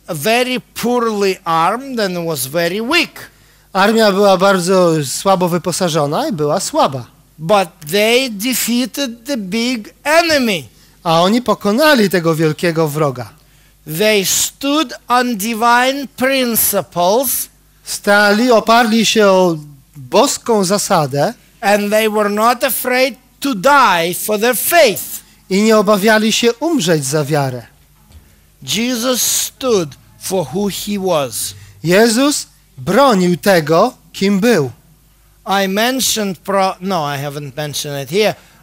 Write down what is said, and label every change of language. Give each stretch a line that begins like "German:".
English: very poorly armed and was very weak.
Polish: Armia była bardzo słabo wyposażona i była słaba.
English: But they defeated the big enemy.
Polish: A oni pokonali tego wielkiego wroga.
English: They stood on divine principles.
Polish: Stali, oparli się o boską zasadę.
English: And they were not afraid to die for their faith.
Polish: I nie obawiali się umrzeć za wiarę.
English: Jesus stood for who he was.
Polish: Jezus bronił tego, kim był.
English: I mentioned pro no, I haven't mentioned it here.